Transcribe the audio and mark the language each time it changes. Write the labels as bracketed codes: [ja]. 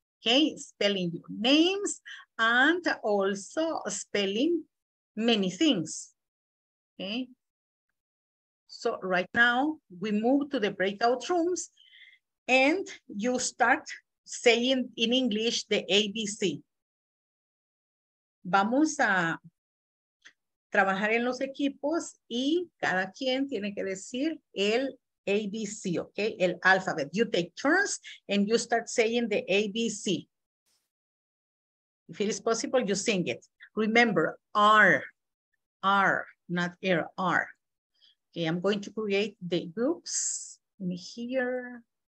[en] Okay, spelling your names and also spelling many things. Okay, so right now we move to the breakout rooms and you start saying in English the ABC. [es] Vamos a trabajar en los equipos y cada quien tiene que decir el ABC, okay, el alphabet. [en] You take turns and you start saying the ABC. If it is possible, you sing it. Remember, R, not air, R. Okay, I'm going to create the groups in here.